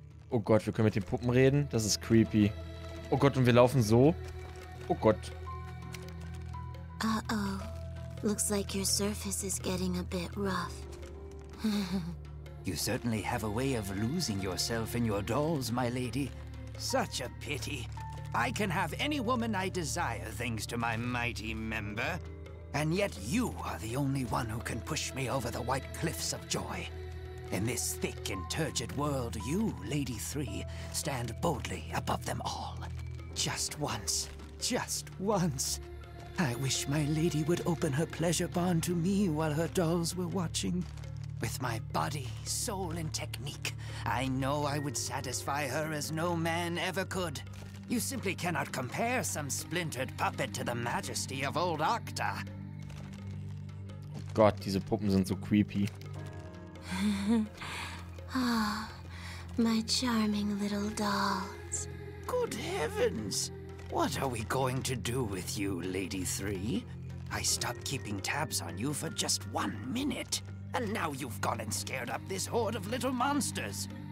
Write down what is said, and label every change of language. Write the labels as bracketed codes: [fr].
[de] Oh Gott, wir können mit den Puppen reden? Das ist creepy. Oh Gott, und wir laufen so? Oh Gott. Uh-oh. [en] Looks like your surface is getting a bit rough. You certainly have a way of losing yourself in your dolls, my lady. Such a pity. I can have any woman I desire thanks to my mighty member. And yet you are the only one who can push me over the white cliffs of joy. In this thick and turgid world, you, Lady Three, stand boldly above them all. Just once, just once. I wish my lady would open her pleasure barn to me while her dolls were watching. With my body, soul, and technique, I know I would satisfy her as no man ever could. You simply cannot compare some splintered puppet to the majesty of old Octa. [de] Oh Gott, diese Puppen sind so creepy. [en] Oh, my charming little dolls. Good heavens! What are we going to do with you, Lady Three? I stopped keeping tabs on you for just 1 minute, and now you've gone and scared up this horde of little monsters!